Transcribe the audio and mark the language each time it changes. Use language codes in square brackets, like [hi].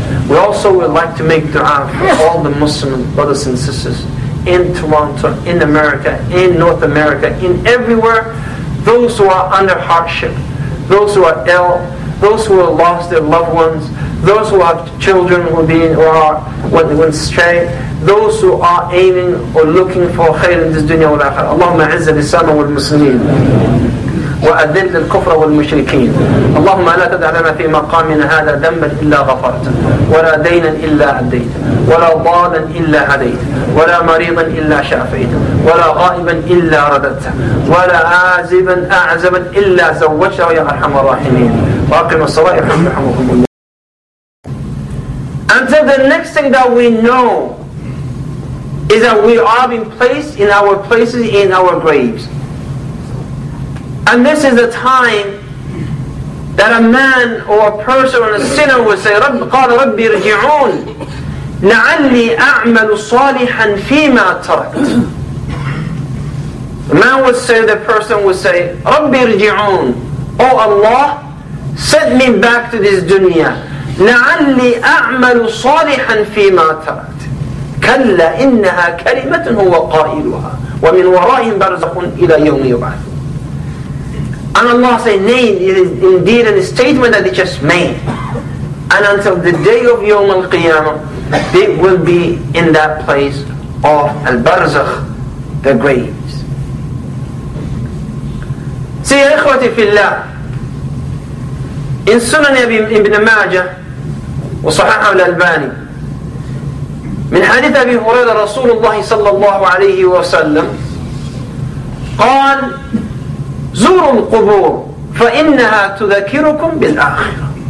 [en] We also would like to make dua for all the Muslim brothers and sisters in Toronto, in America, in North America, in everywhere, those who are under hardship, those who are ill, those who have lost their loved ones, those who have children who went astray, those who are aiming or looking for khair in this dunya wal akhirah. [ar] Allahumma izz al-Islam wal Muslimin. وأذل الكفر والمشركين اللهم لا تدع لنا في مقامنا هذا ذنبا إلا غفرته ولا دينا إلا أديته ولا ضالا إلا هديته ولا مريضا إلا شافيته ولا غائبا إلا رددته ولا عازبا أعزبا إلا زوجته يا أرحم الراحمين وأقم الصلاة يرحمكم الله. [en] Until the next thing that we know is that we are being placed in our places, in our graves. And this is the time that a man or a person or a sinner will say, [ar] رب قال ربي رجعون لعلي أعمل صالحا فيما تركت. [en] The man will say, the person will say, [ar] ربي رجعون, [en] O Allah, send me back to this dunya. [ar] لعلي أعمل صالحا فيما تركت. كلا إنها كلمة هو قائلها ومن ورائهم برزخ إلى يوم يبعث. [en] And Allah says, nay, it is indeed a statement that they just made. And until the day of Yawm al-Qiyamah, they will be in that place of al-barzakh, the graves. See, [ar] ya ikhwati fillah, in Sunan Ibn Majah, wa sahaha al-Albani, min hadith Abi Hurayra Rasulullah sallallahu alayhi wa sallam, قال, زوروا القبور فإنها تذكركم بالآخرة.